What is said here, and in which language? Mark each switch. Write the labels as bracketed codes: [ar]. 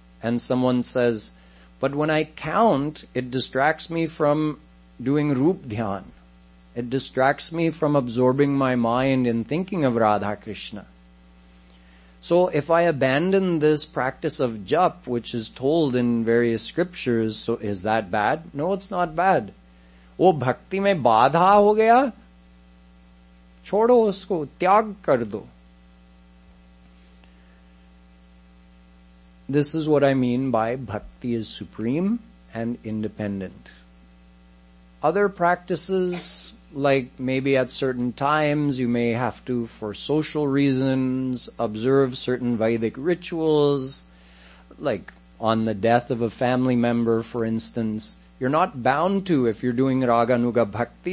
[en] And someone says, but when I count, it distracts me from doing rup dhyan. It distracts me from absorbing my mind in thinking of Radha Krishna. So if I abandon this practice of jap, which is told in various scriptures, so is that bad? No, it's not bad. [hi] वो भक्ति में बाधा हो गया? छोड़ो उसको, त्याग कर दो. [en] This is what I mean by bhakti is supreme and independent. Other practices, like maybe at certain times you may have to, for social reasons, observe certain Vedic rituals, like on the death of a family member, for instance, you're not bound to if you're doing Raganuga Bhakti.